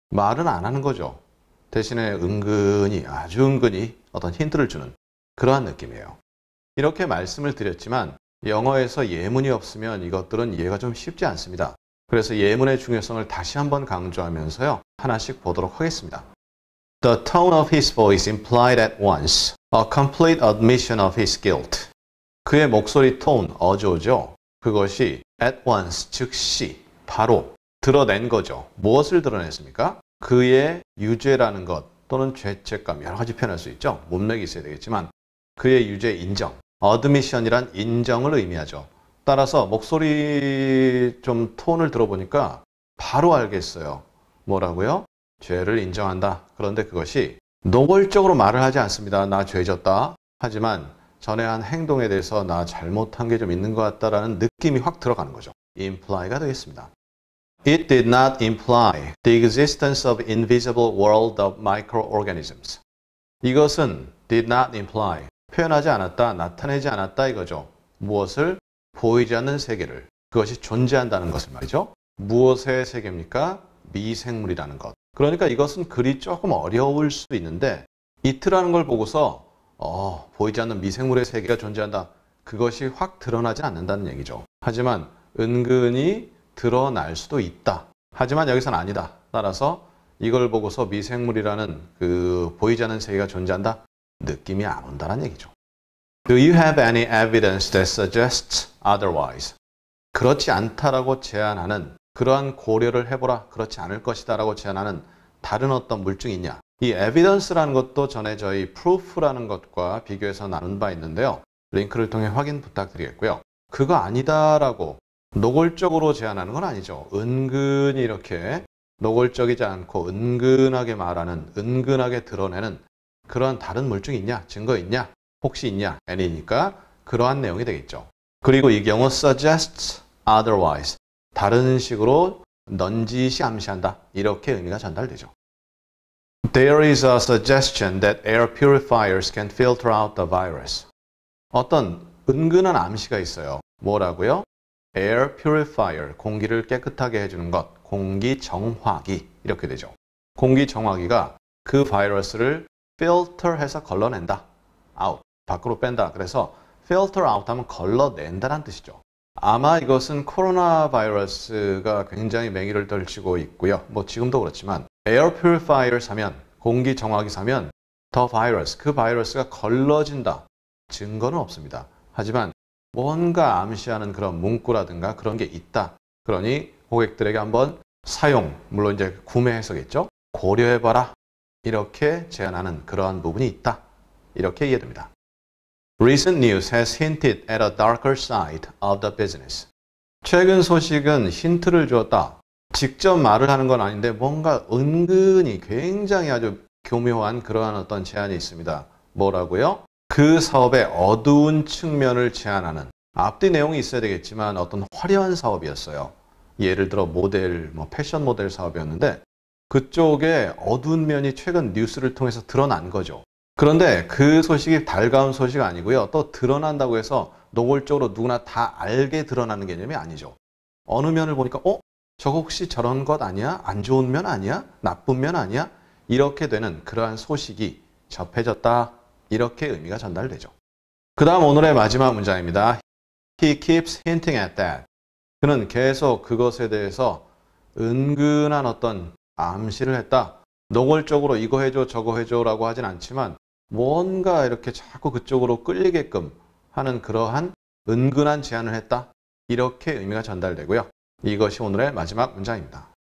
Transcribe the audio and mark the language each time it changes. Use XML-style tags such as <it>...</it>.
<ko>말은 안 하는 거죠. 대신에 은근히, 아주 은근히 어떤 힌트를 주는 그러한 느낌이에요. 이렇게 말씀을 드렸지만 영어에서 예문이 없으면 이것들은 이해가 좀 쉽지 않습니다. 그래서 예문의 중요성을 다시 한번 강조하면서요. 하나씩 보도록 하겠습니다.</ko> <en>The tone of his voice implied at once a complete admission of his guilt.</en> <ko>그의 목소리 톤, 어조죠. 그것이</ko> <en>at once,</en> <ko>즉시, 바로 드러낸 거죠. 무엇을 드러냈습니까? 그의 유죄라는 것. 또는 죄책감, 여러 가지 표현할 수 있죠. 문맥이 있어야 되겠지만 그의 유죄 인정, admission이란 인정을 의미하죠. 따라서 목소리 좀 톤을 들어보니까 바로 알겠어요. 뭐라고요? 죄를 인정한다. 그런데 그것이 노골적으로 말을 하지 않습니다. 나 죄졌다. 하지만 전에 한 행동에 대해서 나 잘못한 게 좀 있는 것 같다라는 느낌이 확 들어가는 거죠. imply가 되겠습니다.</ko> <en>It did not imply the existence of invisible world of microorganisms.</en> <ko>이것은</ko> <en>did not imply,</en> <ko>표현하지 않았다, 나타내지 않았다 이거죠. 무엇을? 보이지 않는 세계를. 그것이 존재한다는 것을 말이죠. 무엇의 세계입니까? 미생물이라는 것. 그러니까 이것은 글이 조금 어려울 수 있는데 it라는 걸 보고서 보이지 않는 미생물의 세계가 존재한다. 그것이 확 드러나지 않는다는 얘기죠. 하지만 은근히 드러날 수도 있다. 하지만 여기서는 아니다. 따라서 이걸 보고서 미생물이라는 그 보이지 않는 세계가 존재한다? 느낌이 안 온다는 얘기죠.</ko> <en>Do you have any evidence that suggests otherwise?</en> <ko>그렇지 않다라고 제안하는 그러한 고려를 해보라. 그렇지 않을 것이다 라고 제안하는 다른 어떤 물증이 있냐? 이 evidence라는 것도 전에 저희 proof라는 것과 비교해서 나눈 바 있는데요. 링크를 통해 확인 부탁드리겠고요. 그거 아니다라고 노골적으로 제안하는 건 아니죠. 은근히 이렇게 노골적이지 않고 은근하게 말하는, 은근하게 드러내는 그러한 다른 물증 있냐? 증거 있냐? 혹시 있냐? any니까 그러한 내용이 되겠죠. 그리고 이 경우</ko> <en>suggests otherwise.</en> <ko>다른 식으로 넌지시 암시한다. 이렇게 의미가 전달되죠.</ko> <en>There is a suggestion that air purifiers can filter out the virus.</en> <ko>어떤 은근한 암시가 있어요. 뭐라고요? Air purifier, 공기를 깨끗하게 해주는 것, 공기 정화기, 이렇게 되죠. 공기 정화기가 그 바이러스를 filter해서 걸러낸다. out, 밖으로 뺀다. 그래서 filter out 하면 걸러낸다는 뜻이죠. 아마 이것은 코로나 바이러스가 굉장히 맹위를 떨치고 있고요. 뭐 지금도 그렇지만 air purifier 사면, 공기 정화기 사면</ko> <en>the virus,</en> <ko>그 바이러스가 걸러진다. 증거는 없습니다. 하지만 뭔가 암시하는 그런 문구라든가 그런 게 있다. 그러니 고객들에게 한번 사용, 물론 이제 구매해서겠죠. 고려해봐라. 이렇게 제안하는 그러한 부분이 있다. 이렇게 이해됩니다.</ko> <en>Recent news has hinted at a darker side of the business.</en> <ko>최근 소식은 힌트를 주었다. 직접 말을 하는 건 아닌데 뭔가 은근히 굉장히 아주 교묘한 그러한 어떤 제안이 있습니다. 뭐라고요? 그 사업의 어두운 측면을 제안하는 앞뒤 내용이 있어야 되겠지만 어떤 화려한 사업이었어요. 예를 들어 모델, 뭐 패션 모델 사업이었는데 그쪽에 어두운 면이 최근 뉴스를 통해서 드러난 거죠. 그런데 그 소식이 달가운 소식이 아니고요. 또 드러난다고 해서 노골적으로 누구나 다 알게 드러나는 개념이 아니죠. 어느 면을 보니까, 저거 혹시 저런 것 아니야? 안 좋은 면 아니야? 나쁜 면 아니야? 이렇게 되는 그러한 소식이 접해졌다. 이렇게 의미가 전달되죠. 그 다음 오늘의 마지막 문장입니다.</ko> <en>He keeps hinting at that.</en> <ko>그는 계속 그것에 대해서 은근한 어떤 암시를 했다. 노골적으로 이거 해줘, 저거 해줘라고 하진 않지만 뭔가 이렇게 자꾸 그쪽으로 끌리게끔 하는 그러한 은근한 제안을 했다. 이렇게 의미가 전달되고요. 이것이 오늘의 마지막 문장입니다.</ko>